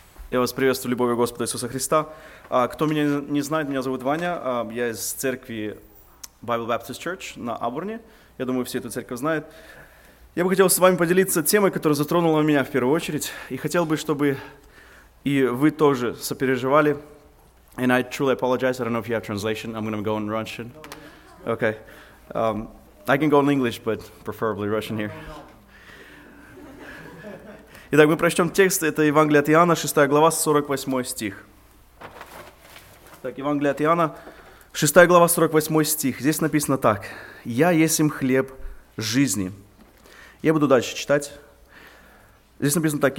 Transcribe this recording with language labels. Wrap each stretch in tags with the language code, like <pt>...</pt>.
<ru>Я вас приветствую в любовью Господа Иисуса Христа. Кто меня не знает, меня зовут Ваня. Я из церкви Bible Baptist Church на Абурне. Я думаю, все эту церковь знают. Я бы хотел с вами поделиться темой, которая затронула меня в первую очередь. И хотел бы, чтобы и вы тоже сопереживали.</ru> <en>And I truly apologize. I don't know if you have translation. I'm going to go in Russian. Okay. I can go in English, but preferably Russian here.</en> <ru>Итак, мы прочтем текст, это Евангелие от Иоанна, 6 глава, 48 стих. Так, Евангелие от Иоанна, 6 глава, 48 стих. Здесь написано так. «Я есмь хлеб жизни». Я буду дальше читать. Здесь написано так.</ru>